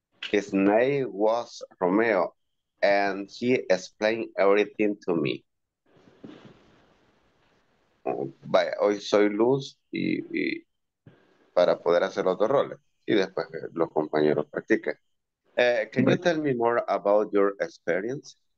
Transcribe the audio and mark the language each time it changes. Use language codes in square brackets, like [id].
[en] His name was Romeo, and he explained everything to me. [es] Hoy soy Luz y para poder hacer los dos roles y después los compañeros practiquen. [en] Can you tell me more about your experience?